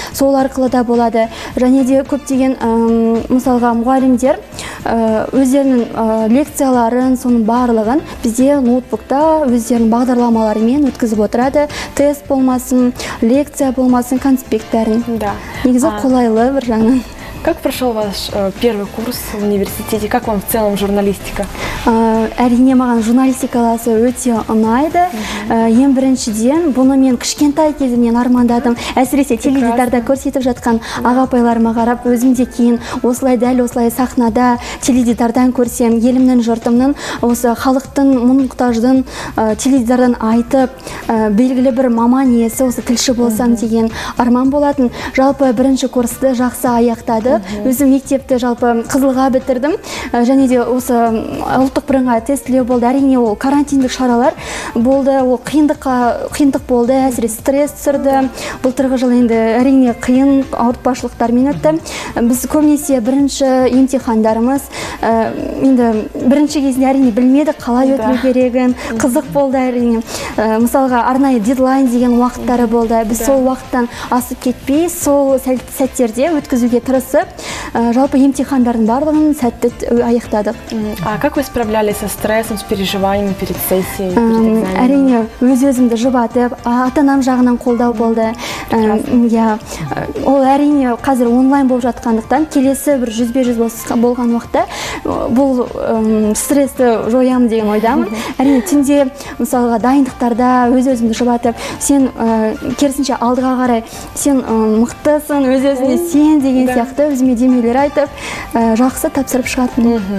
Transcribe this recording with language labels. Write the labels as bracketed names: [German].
[Kazakh] Сол арқылы да болады. Және де көптеген мысалға мұғалімдер өздерінің лекцияларын, соның барлығын бізде ноутбукта өздерінің бағдарламаларымен өткізіп отырады. Тест болмасын, лекция болмасын, конспекттерін. Да. Негізі қолайлы бір жағынан. [Russian] Как прошел ваш первый курс в университете? Как вам в целом журналистика? [Kazakh] Әрине маған журналистикаласы өте ұнайды. Ең біріншіден, бұны мен кішкентай кезімнен армандадым. Әсіресе теледидарда көрсетіп жатқан ағапайларыма қарап, өзімде кейін осылай дәл осылай сахнада теледидардан көрсем, елімнің жұртымның осы халықтың мұң-мұқтаждың теледидардан айтып, белгілі бір маман иесі осы тілші болсам деген арман болатын. Жалпы бірінші курсты жақсы аяқтадым. Өзім мектепті жалпы қызылға бітірдім. Және де осы ұлттық бірыңғай тестілеу болды. Әрине ол карантиндік шаралар болды. Ол қиындық болды. Әсіресе стресс түсірді. Былтырғы жыл енді әрине қиын ауыртпашылықтармен өтті. Біз көбінесе бірінші емтихандарымыз енді бірінші кезінде әрине білмедік қалай өтілу керегін. Қызық болды әрине. Мысалға арнайы дедлайн деген уақыттары болды. Біз сол уақыттан асып кетпей, сол сәттерде өткізуге тырысып, жалпы емтихандардың барлығын сәтті аяқтадық. [Russian] А как вы справлялись со стрессом, с переживаниями перед сессией, перед экзаменом? [Kazakh] Әрине, өз-өзімді жұбатып, ата-анам жағынан қолдау болды. Ол әрине қазір онлайн болып жатқандықтан, келесі бір 100-100 болған уақытта бұл стрессті жоямын деген ойдамын. Әрине, түнде мысалға дайындықтарда өз-өзімді жұбатып, сен керісінше алдыға қарай, сен мықтысың, өз-өзіңе сен деген сияқты өзіме демелер айтып, жақсы тапсырып шығатын.